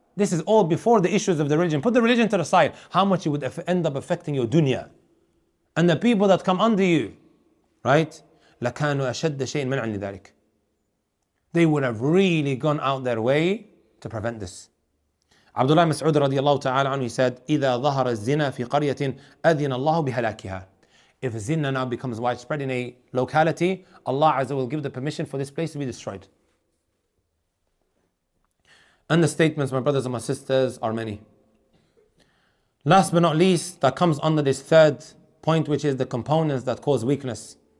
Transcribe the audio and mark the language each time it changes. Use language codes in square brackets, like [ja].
[en] This is all before the issues of the religion. Put the religion to the side. How much it would end up affecting your dunya and the people that come under you, right? [ar] لَكَانُوا أَشَدَّ شَيْءٍ مَنْ عَنِّ ذَلِكَ. [en] They would have really gone out their way to prevent this. [ar] Abdullah Mas'ud radiallahu ta'ala anhu, [en] he said, [ar] إِذَا ظَهَرَ الزِّنَا فِي قَرْيَةٍ أَذِنَ اللَّهُ بِهَلَاكِهَا. [en] If zina now becomes widespread in a locality, Allah Azza will give the permission for this place to be destroyed. And the statements, my brothers and my sisters, are many. Last but not least, that comes under this third point, which is the components that cause weakness.